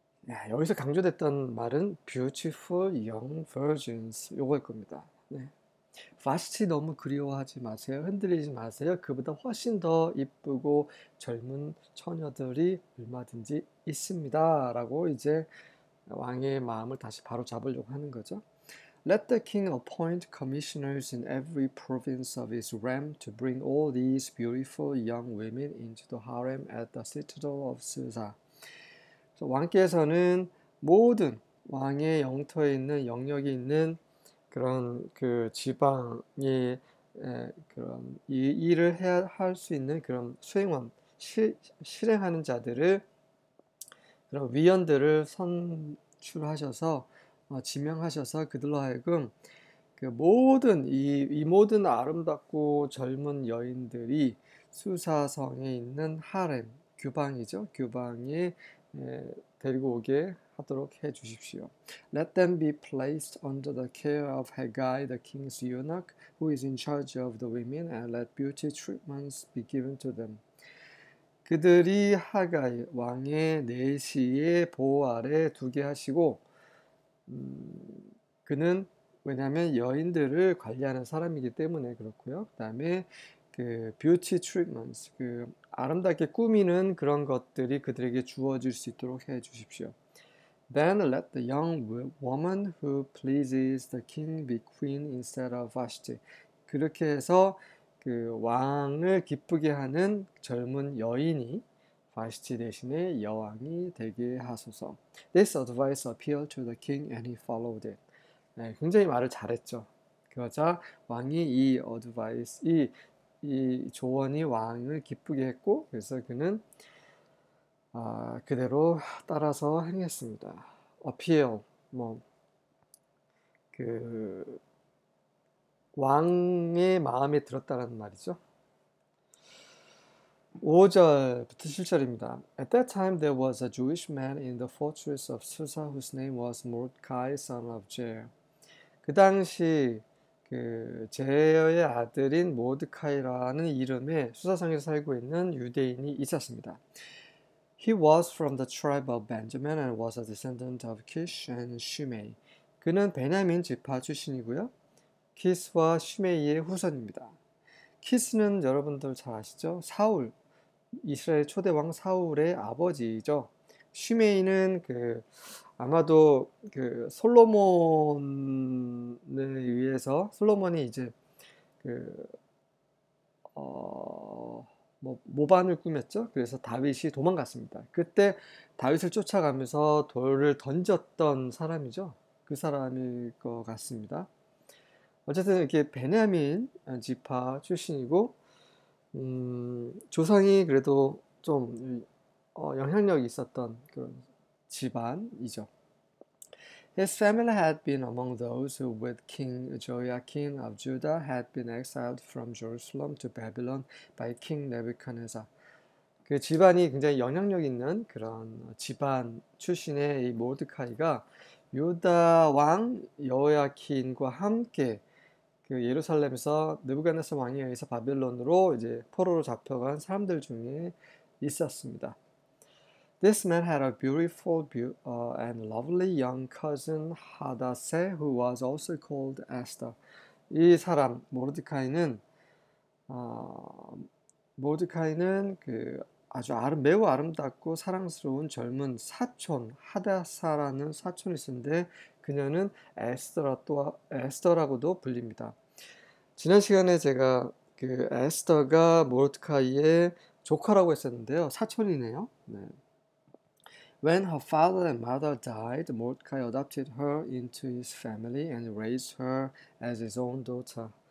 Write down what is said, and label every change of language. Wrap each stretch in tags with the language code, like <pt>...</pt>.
<ko>야, 여기서 강조됐던 말은</ko> <en>beautiful young virgins</en> <ko>요걸 겁니다. 네. 바스티 너무 그리워하지 마세요. 흔들리지 마세요. 그보다 훨씬 더 이쁘고 젊은 처녀들이 얼마든지 있습니다라고 이제 왕의 마음을 다시 바로 잡으려고 하는 거죠.</ko> <en>Let the king appoint commissioners in every province of his realm to bring all these beautiful young women into the harem at the citadel of Susa.</en> <ko>왕께서는 모든 왕의 영토에 있는 영역이 있는 그런 그 지방의 그런 일을 해야 할수 있는 그런 수행원 실행하는 자들을 그런 위원들을 선출하셔서 지명하셔서 그들로 하여금 그 모든 이 모든 아름답고 젊은 여인들이 수사성에 있는 하렘 규방이죠. 규방에 데리고 오게 하도록 해 주십시오.</ko> <en>Let them be placed under the care of Haggai, the king's eunuch, who is in charge of the women, and let beauty treatments be given to them.</en> <ko>그들이 하가이 왕의 내시의 보호 아래 두게 하시고, 그는 왜냐하면 여인들을 관리하는 사람이기 때문에 그렇고요. 그다음에 그</ko> <en>beauty treatments,</en> <ko>그 아름답게 꾸미는 그런 것들이 그들에게 주어질 수 있도록 해 주십시오.</ko> <en>Then let the young woman who pleases the king be queen instead of Vashti.</en> <ko>그렇게 해서 그 왕을 기쁘게 하는 젊은 여인이 바시티 대신에 여왕이 되게 하소서.</ko> <en>This advice appealed to the king and he followed it.</en> <ko>네, 굉장히 말을 잘했죠. 그러자 왕이 이 advice, 이 조언이 왕을 기쁘게 했고, 그래서 그는 그대로 따라서 행했습니다. Appeal, 뭐, 왕의 마음에 들었다는 말이죠. 5절부터 7절입니다.</ko> <en>At that time there was a Jewish man in the fortress of Susa whose name was Mordecai, son of Jair.</en> <ko>그 당시 그 제어의 아들인 모드카이라는 이름의 수사상에서 살고 있는 유대인이 있었습니다.</ko> <en>He was from the tribe of Benjamin and was a descendant of Kish and Shimei.</en> <ko>그는 베냐민 지파 출신이고요. 키스와 시메이의 후손입니다. 키스는 여러분들 잘 아시죠? 사울, 이스라엘 초대왕 사울의 아버지죠. 시메이는 그 아마도 그 솔로몬이 이제 뭐 모반을 꾸몄죠. 그래서 다윗이 도망갔습니다. 그때 다윗을 쫓아가면서 돌을 던졌던 사람이죠. 그 사람일 것 같습니다. 어쨌든 이렇게 베냐민 지파 출신이고, 조상이 그래도 좀 영향력이 있었던 그런 집안이죠.</ko> <en>His family had been among those who, with King Jehoiakim of Judah, had been exiled from Jerusalem to Babylon by King Nebuchadnezzar.</en> <ko>그 집안이 굉장히 영향력 있는 그런 집안 출신의 이 모르드카이가 유다 왕 여호야킨과 함께 그 예루살렘에서 느부갓네살 왕에 의해서 바벨론으로 이제 포로로 잡혀간 사람들 중에 있었습니다.</ko> <en>This man had a beautiful and lovely young cousin Hadassah, who was also called Esther.</en> <ko>이 사람 모르드카이는 그 아주 매우 아름답고 사랑스러운 젊은 사촌 하다사라는 사촌이 있었는데 그녀는 에스더라고도 불립니다. 지난 시간에 제가 그 에스더가 모르드카이의 조카라고 했었는데요. 사촌이네요. 네.</ko> <en>When her father and mother died, Mordecai adopted her into his family and raised her as his own daughter.</en>